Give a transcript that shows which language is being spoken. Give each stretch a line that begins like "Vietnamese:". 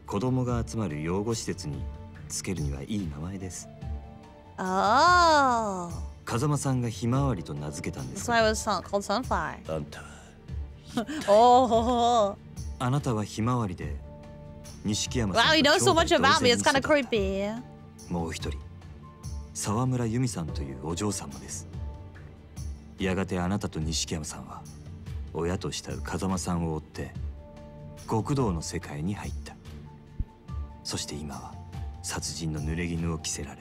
Japanese: 子供が集まる養護施設につけるにはいい名前です。 Oh. 風間さんがひまわりと名付けたんです。
English: That's why it was called sunflower.
Japanese: あんた。 Oh. あなたはひまわりで、錦山さんと兄弟と。
English: Wow, you know so much about me. It's kind of creepy.
Japanese: もう一人、沢村由美さんというお嬢さんもです。やがてあなたと錦山さんは、親と慕う風間さんを追って、極道の世界に入った。そして今は。殺人の濡れ衣を着せられ